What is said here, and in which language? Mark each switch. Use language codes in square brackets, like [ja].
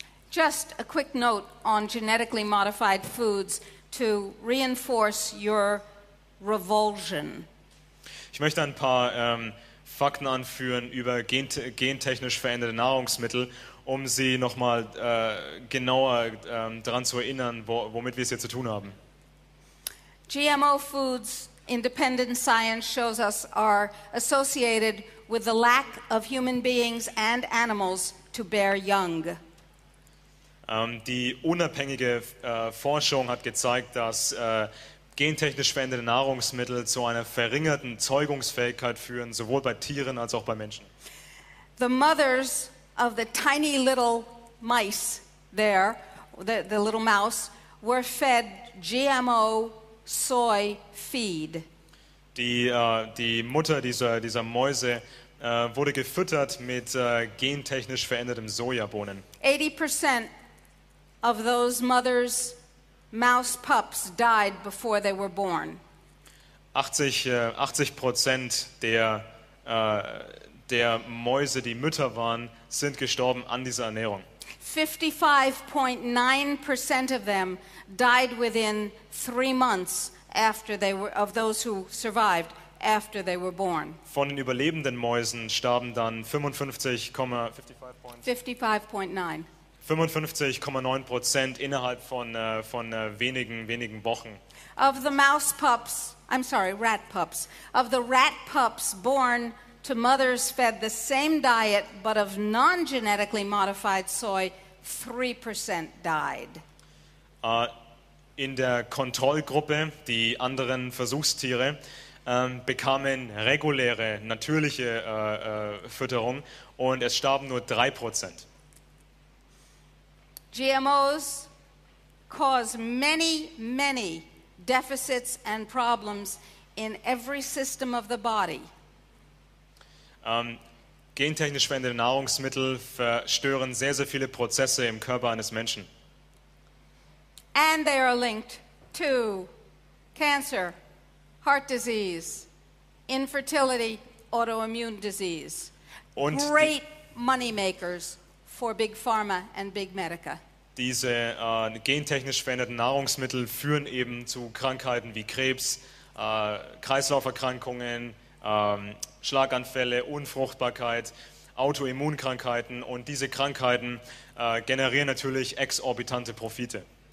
[en] Just a quick note on genetically modified foods to reinforce your revulsion. [de] Ich möchte ein paar Fakten anführen über gentechnisch veränderte Nahrungsmittel, um Sie nochmal genauer daran zu erinnern, womit wir es hier zu tun haben. [en] GMO foods, independent science shows us, are associated with the lack of human beings and animals to bear young. [de] Die unabhängige Forschung hat gezeigt, dass gentechnisch veränderte Nahrungsmittel zu einer verringerten Zeugungsfähigkeit führen, sowohl bei Tieren als auch bei Menschen. [en] The mothers of the tiny little mice there, the little mouse, were fed GMO soy feed. [de] Die Mutter dieser Mäuse wurde gefüttert mit gentechnisch verändertem Sojabohnen. [en] 80% of those mothers' mouse pups died before they were born. [de] 80% der Mäuse, die Mütter waren, sind gestorben an dieser Ernährung. [en] 55.9% of them died within 3 months after they were of those who survived after they were born. [de] Von den überlebenden Mäusen starben dann 55,9% innerhalb von wenigen Wochen. [en] Of the mouse pups, I'm sorry, rat pups. Of the rat pups born to mothers fed the same diet but of non-genetically modified soy, 3% died. [de] In der Kontrollgruppe, die anderen Versuchstiere, bekamen reguläre, natürliche Fütterung und es starben nur 3%. [en] GMOs cause many, many deficits and problems in every system of the body. [de] Gentechnisch veränderte Nahrungsmittel verstören sehr, sehr viele Prozesse im Körper eines Menschen. [en] And they are linked to cancer, heart disease, infertility, autoimmune disease. [de] Und [en] great money makers for big pharma and big medica. [de] Diese gentechnisch veränderten Nahrungsmittel führen eben zu Krankheiten wie Krebs, Kreislauferkrankungen, Schlaganfälle, Unfruchtbarkeit, Autoimmunkrankheiten und diese Krankheiten generieren natürlich exorbitante Profite.